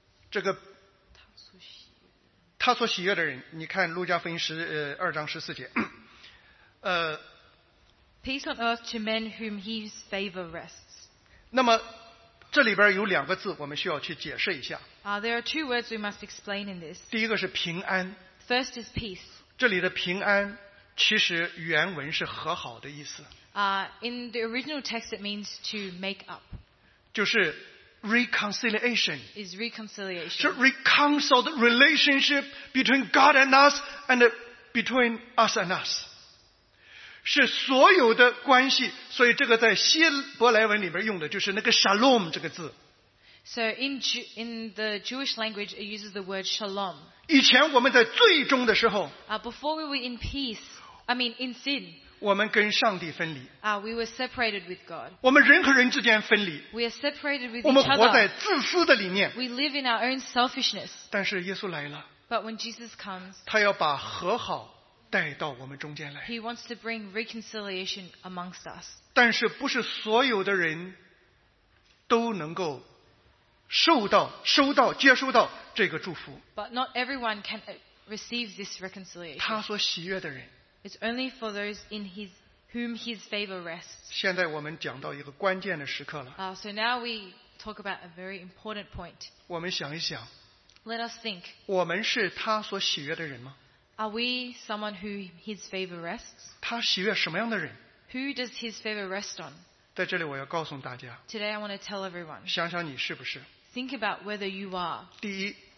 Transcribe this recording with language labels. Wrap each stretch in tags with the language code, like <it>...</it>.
<zh>这个他所喜悦的人，你看路加福音2:14，</zh> <en>Peace on earth to men whom his favor rests.</en> <zh>那么这里边有两个字，我们需要去解释一下。</zh> <en>There are two words we must explain in this.</en> <zh>第一个是平安。</zh> <en>First is peace.</en> <zh>这里的平安其实原文是和好的意思。</zh> <en>In the original text, it means to make up.</en> <zh>就是。Reconciliation</zh> <en>is reconciliation. 是 reconcile the relationship between God and us and between us and us.</en> <zh>是所有的关系，所以这个在希伯来文里边用的就是那个 shalom 这个字。</zh> <en>So in the Jewish language, it uses the word shalom.</en> <zh>以前我们在最终的时候</zh> <en>before we were in peace, I mean in sin, We were separated with God. We are separated with each other. We live in our own selfishness.</en> <zh>但是耶稣来了,</zh> <en>but when Jesus comes, He wants to bring reconciliation amongst us.</en> <zh>但是不是所有的人都能够收到接收到这个祝福。</zh> <en>But not everyone can receive this reconciliation. It's only for those in his, whom his favor rests. So now we talk about a very important point.</en> <zh>我们想一想,</zh> <en>Let us think.</en> <zh>我们是他所喜悦的人吗?</zh> <en>Are we someone who his favor rests?</en> <zh>他喜悦什么样的人?</zh> <en>Who does his favor rest on?</en> <zh>在这里我要告诉大家,</zh> <en>Today I want to tell everyone.</en> <zh>想想你是不是?</zh> <en>Think about whether you are.</en> <zh>第一,</zh>